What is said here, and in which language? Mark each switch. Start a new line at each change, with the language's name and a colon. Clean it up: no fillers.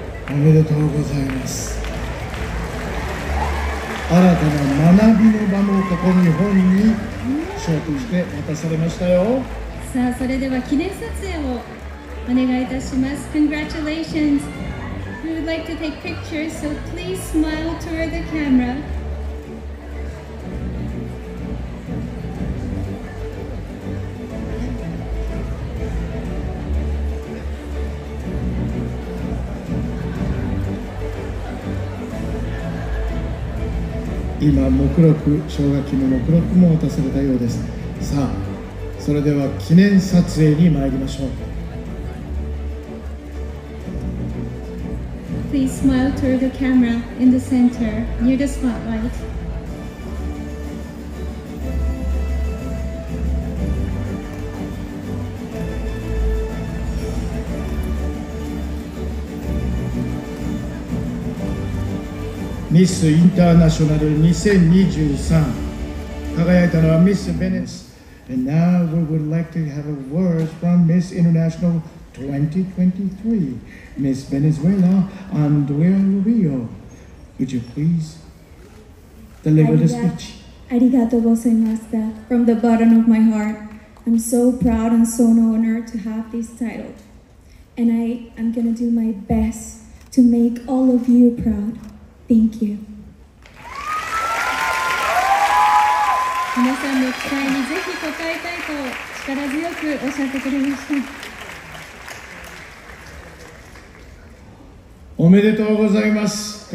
Japanese: おめでとうございます。新たな学びの場もここ日本に招待して渡されましたよ。さあそれでは記念撮影をお願いいたします。
English: Congratulations. We would like to take pictures, so please smile toward the camera.
Japanese: 今目録、奨学金の目録も渡されたようです。さあそれでは記念撮影に参りましょう。
English: Please smile toward the camera in the center near the spotlight.
Japanese: ミスインターナショナル2023輝いたのはミス・ベネス。
English: And now we would like to have a word from Miss International 2023 Miss Venezuela Andrea Rubio. Would you please deliver the speech?
Japanese: Arigato gozaimasta.
English: From the bottom of my heart, I'm so proud and so honored to have this title. And I'm going to do my best to make all of you proud. Thank you.
Japanese: 皆さんの期待にぜひ応えたいと力強くおっしゃってくれました。おめでとうございます。